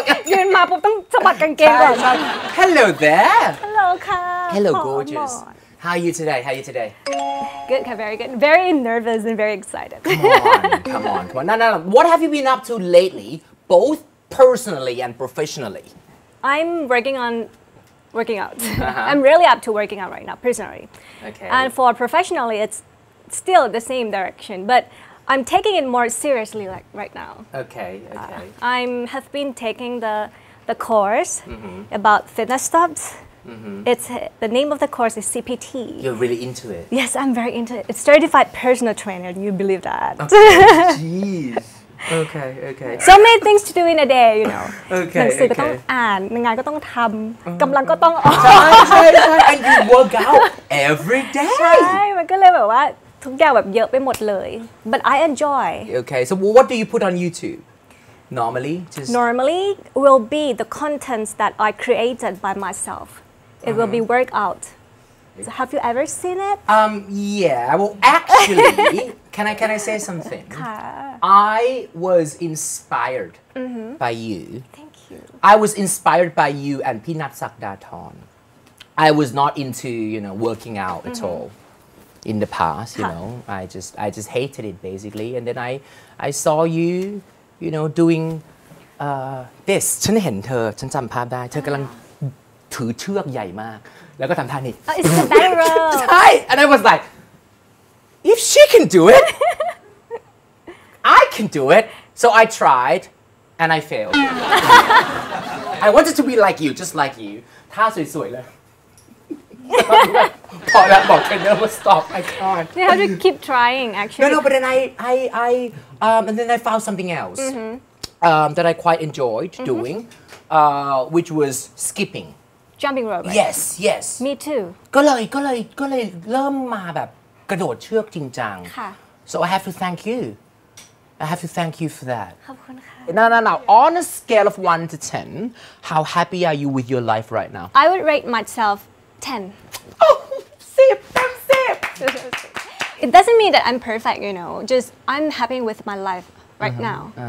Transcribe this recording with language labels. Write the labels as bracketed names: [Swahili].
[Thai] ยืนมาปุ๊บต้องสะบัดกางเกงก่อน [English] Hello there Hello ค่ะ Hello gorgeous How are you today Good ค่ะ very good very nervous and very excited Come on No What have you been up to lately both personally and professionally I'm working out I'm really up to working out right now personally Okay and for professionally it's still the same direction butI'm taking it more seriously, like right now. Okay. I have been taking the course mm-hmm. about fitness stuffs. Mm-hmm. It's the name of the course is CPT. You're really into it. Yes, I'm very into it. It's certified personal trainer. Do you believe that? Okay. Jeez. Okay. So many things to do in a day, you know. Okay. [Thai] หนังสือก็ต้องอ่านงานก็ต้องทำกำลังก็ต้อง [English] ออกใช่ and you work out every day. [Thai] ใช่มันก็เลยแบบว่าทุกอย่างแบบเยอะไปหมดเลย but I enjoy [English] okay so what do you put on YouTube normally just normally will be the contents that I created by myself it uh-huh. will be workout so have you ever seen it yeah well actually can I say something I was inspired mm-hmm. by you thank you I was inspired by you and พี่นัทศักดาธรI was not into you know working out mm-hmm. at allIn the past, you know, I just hated it basically, and then I saw you, you know, doing this. [Thai] ฉันเห็นเธอฉันจำภาพได้เธอกำลังถือเชือกใหญ่มากแล้วก็ทำท่านี้ [English] It's the barrel. ใช่ and I was like, if she can do it, I can do it. So I tried, and I failed. I wanted to be like you, just like you. [Thai] ท่าสวยๆเลยพอแล้วบอกเทรนเนอร์ว่า stop I can't [English] you have to keep trying actually no but then I and then I found something else mm-hmm. That I quite enjoyed mm-hmm. doing which was skipping jumping rope right? yes me too [Thai] ก็เลยเริ่มมาแบบกระโดดเชือกจริงจัง ค่ะ [English] so I have to thank you I have to thank you for that. [Thai] ขอบคุณค่ะ [English] No, no, no. On a scale of 1 to 10, how happy are you with your life right now? I would rate myself 10. Oh, 10. 10. It doesn't mean that I'm perfect, you know. Just I'm happy with my life right now.